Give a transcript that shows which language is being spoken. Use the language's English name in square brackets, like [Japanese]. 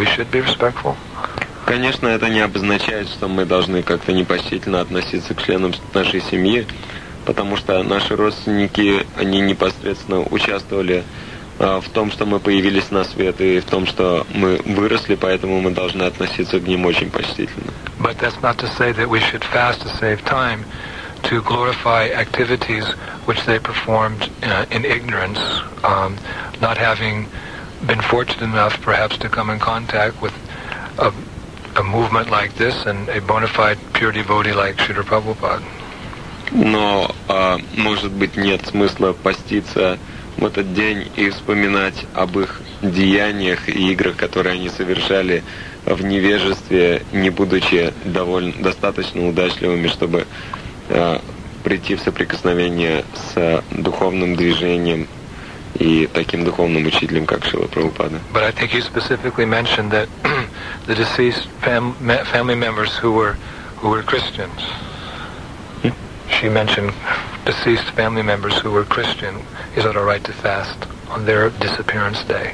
[English] We should be respectful. [Russian] Конечно, это не обозначает, что мы должны как-то непочтительно относиться к членам нашей семьи, потому что наши родственники, они непосредственно участвовали в том, что мы появились на свет и в том, что мы выросли, поэтому мы должны относиться к ним очень почтительно. [English] But that's not to say that we should fast to save time to glorify activities which they performed in ignorance, not having been fortunate enough perhaps to come in contact with a movement like this and a bona fide pure devotee like Śrīla Prabhupāda. [Russian] Но, может быть, нет смысла поститься в этот день и вспоминать об их деяниях и играх, которые они совершали в невежестве, не будучи достаточно удачливыми, чтобы прийти в соприкосновение с духовным движением и таким духовным учителем, как Шрила Прабхупада. [English] But I think you specifically mentioned that the deceased family members who were Christians. She mentioned deceased family members who were Christian. Is it all right to fast on their disappearance day?